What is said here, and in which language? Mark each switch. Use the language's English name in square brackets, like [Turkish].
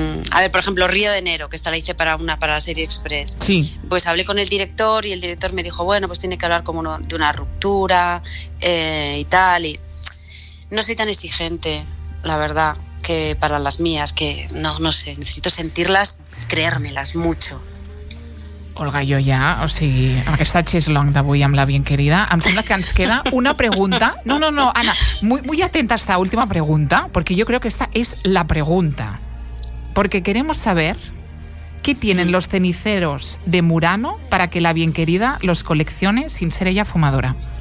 [Spanish] A ver, por ejemplo, Río de Enero, que esta la hice para la serie Express. Sí. Pues hablé con el director y el director me dijo, bueno, pues tiene que hablar como de una ruptura y tal. Y no soy tan exigente, la verdad, que para las mías, que no sé, necesito sentirlas, creérmelas mucho. [Catalan] Olga, jo ja, o sigui, amb aquesta xeslong d'avui amb la Bienquerida, em sembla que ens queda una pregunta. [Spanish] No, Anna, muy atenta a esta última pregunta, porque yo creo que esta es la pregunta. Porque queremos saber qué tienen los ceniceros de Murano para que la Bienquerida los coleccione sin ser ella fumadora.